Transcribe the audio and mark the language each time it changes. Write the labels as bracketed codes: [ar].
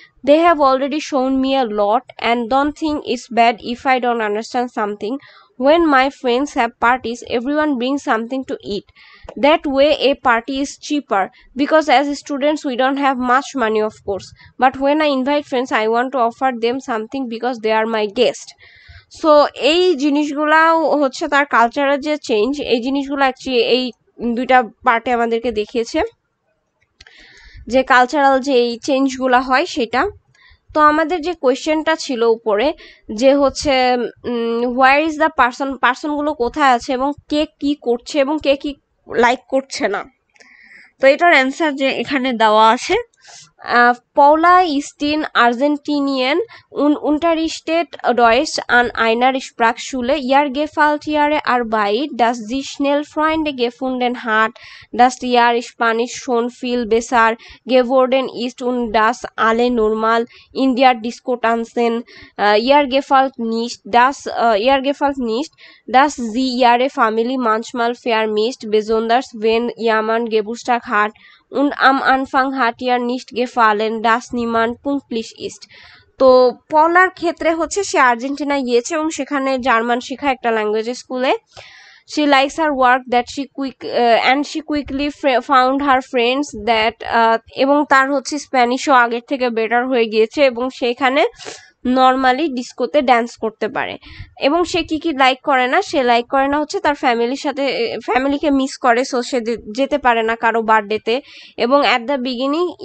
[en] They have already shown me a lot and don't think it's bad if I don't understand something. When my friends have parties, everyone brings something to eat. That way, a party is cheaper because as students, we don't have much money, of course. But when I invite friends, I want to offer them something because they are my guests. [bn] So এই জিনিসগুলাও হচ্ছে তার কালচারের যে change এই জিনিসগুলো actually এই দুইটা পার্টে আমাদেরকে দেখিয়েছে যে কালচারাল যে এই চেঞ্জগুলো হয় সেটা তো আমাদের যে কোয়েশ্চেনটা ছিল উপরে যে হচ্ছে [en] where is the [bn] পার্সনগুলো কোথায় আছে এবং কে কী করছে এবং কে কী লাইক করছে না তো এটার অ্যান্সার যে এখানে দেওয়া আছে [de] Paula ist in Argentinien und unterrichtet Deutsch an einer Sprachschule. Ihr gefällt ihre Arbeit, dass sie schnell Freunde gefunden hat, dass ihr Spanisch schon viel besser geworden ist und dass alle normal in der Disco tanzen. Ihr gefällt nicht, dass sie ihre Familie manchmal vermisst, besonders wenn jemand Geburtstag hat. Und am Anfang hat ihr nicht gefallen, dass niemand pünktlich ist. [bn] তো পলার ক্ষেত্রে হচ্ছে সে Argentina গিয়েছে এবং সেখানে German শেখা একটা language স্কুলে [en] She likes her work that she quick and she quickly found her friends that [bn] এবং তার হচ্ছে স্প্যানিশও আগের থেকে বেটার হয়ে গিয়েছে এবং সেখানে নর্মালি ডিস্কোতে ড্যান্স করতে পারে এবং সে কী কী লাইক করে না সে লাইক করে না হচ্ছে তার ফ্যামিলির সাথে ফ্যামিলিকে মিস করে সো সে যেতে পারে না কারো বার্থডেতে এবং অ্যাট দ্য বিগিনিং